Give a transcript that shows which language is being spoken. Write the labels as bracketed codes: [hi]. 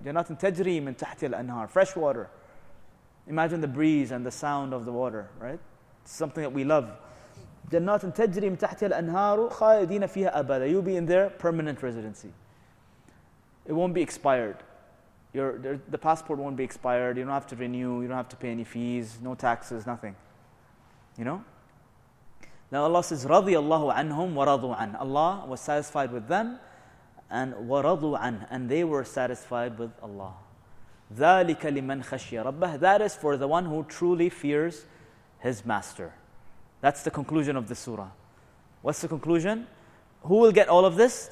[ar] Jannatun tajri min tahti al-anhar. [en] Fresh water. Imagine the breeze and the sound of the water, right? It's something that we love. [ar] Jannatun tajri min tahti al-anhar khalidina fiha abada. [en] You'll be in there, permanent residency. It won't be expired. The passport won't be expired. You don't have to renew. You don't have to pay any fees. No taxes, nothing. You know? Now Allah says, [ar] رَضِيَ اللَّهُ عَنْهُمْ وَرَضُوا عَنْ. [en] Allah was satisfied with them, and [ar] وَرَضُوا عَنْ. [en] And they were satisfied with Allah. [ar] ذَلِكَ لِمَنْ خَشِيَ رَبَّهُ. [en] That is for the one who truly fears his master. That's the conclusion of the surah. What's the conclusion? Who will get all of this?